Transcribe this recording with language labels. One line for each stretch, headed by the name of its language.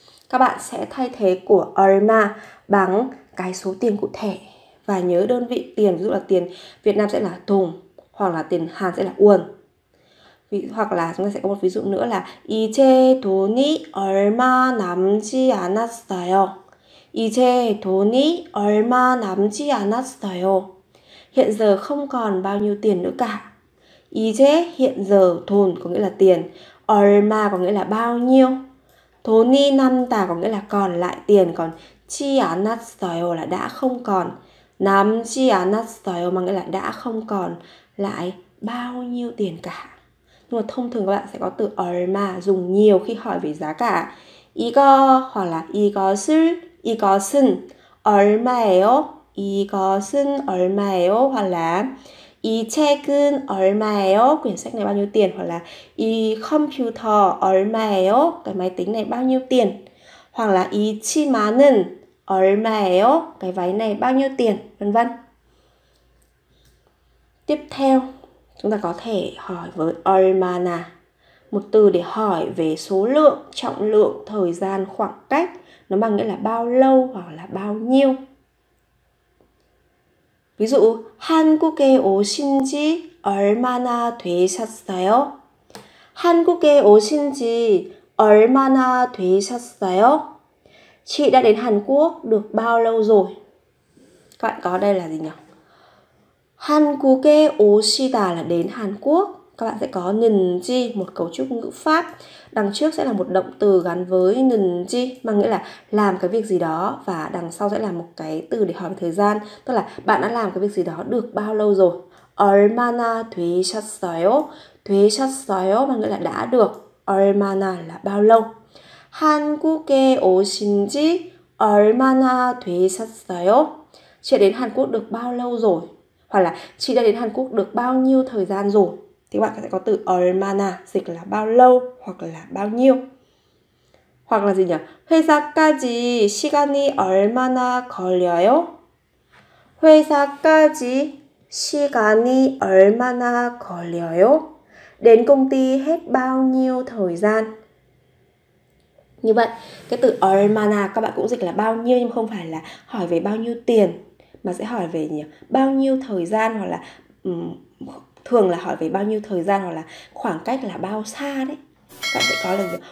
Vietnamese: Các bạn sẽ thay thế của 얼마 bằng cái số tiền cụ thể. Và nhớ đơn vị tiền, ví dụ là tiền Việt Nam sẽ là đồng, hoặc là tiền Hàn sẽ là won. Hoặc là chúng ta sẽ có một ví dụ nữa là
Korean: 이제 돈이 얼마 남지 않았어요. 이제 돈이 얼마 남지 않았어요.
Vietnamese: Hiện giờ không còn bao nhiêu tiền nữa cả. 이제 hiện giờ 돈 có nghĩa là tiền, 얼마 có nghĩa là bao nhiêu,
Korean: 돈이 남다
Vietnamese: có nghĩa là còn lại tiền, còn 지 않았어요 là đã không còn,
Korean: 남지 않았어요
Vietnamese: mà nghĩa là đã không còn lại bao nhiêu tiền cả. Nhưng mà thông thường các bạn sẽ có từ 얼마 dùng nhiều khi hỏi về giá cả.
Korean: 이거
Vietnamese: hoặc là
Korean: 이것은 얼마예요? 이것은 얼마예요?
Vietnamese: Hoặc là
Korean: 이 책은 얼마예요?
Vietnamese: Quyển sách này bao nhiêu tiền? Hoặc là
Korean: 이 컴퓨터 얼마예요?
Vietnamese: Cái máy tính này bao nhiêu tiền? Hoặc là
Korean: 이 치마는 얼마예요?
Vietnamese: Cái váy này bao nhiêu tiền? Vân vân. Tiếp theo, chúng ta có thể hỏi với 얼마나. Một từ để hỏi về số lượng, trọng lượng, thời gian, khoảng cách. Nó mang nghĩa là bao lâu hoặc là bao nhiêu. Ví dụ,
Korean: 한국에 오신 지 얼마나 되셨어요? 한국에 오신 지 얼마나 되셨어요?
Vietnamese: Chị đã đến Hàn Quốc được bạn lâu rồi? Các bạn có đây là gì nhỉ?
Korean: 한국에 오시다
Vietnamese: là đến Hàn Quốc. Các bạn sẽ có 는지, một cấu trúc ngữ pháp. Đằng trước sẽ là một động từ gắn với 는지, mang nghĩa là làm cái việc gì đó. Và đằng sau sẽ là một cái từ để hỏi về thời gian. Tức là bạn đã làm cái việc gì đó được bao lâu rồi?
Korean: 얼마나 되셨어요?
Vietnamese: 되셨어요 mang nghĩa là đã được. 얼마나 là bao lâu?
Korean: 한국에 오신 지 얼마나 되셨어요?
Vietnamese: Chị đến Hàn Quốc được bao lâu rồi? Hoặc là chị đã đến Hàn Quốc được bao nhiêu thời gian rồi? Thì các bạn sẽ có từ 얼마나 dịch là bao lâu hoặc là bao nhiêu. Hoặc là gì nhỉ?
Korean: 회사까지 시간이 얼마나 걸려요? 회사까지 시간이 얼마나 걸려요?
Vietnamese: Đến công ty hết bao nhiêu thời gian? Như vậy, cái từ 얼마나 các bạn cũng dịch là bao nhiêu nhưng không phải là hỏi về bao nhiêu tiền, mà sẽ hỏi về nhỉ? Bao nhiêu thời gian, hoặc là thường là hỏi về bao nhiêu thời gian, hoặc là khoảng cách là bao xa đấy. Các bạn sẽ có là gì?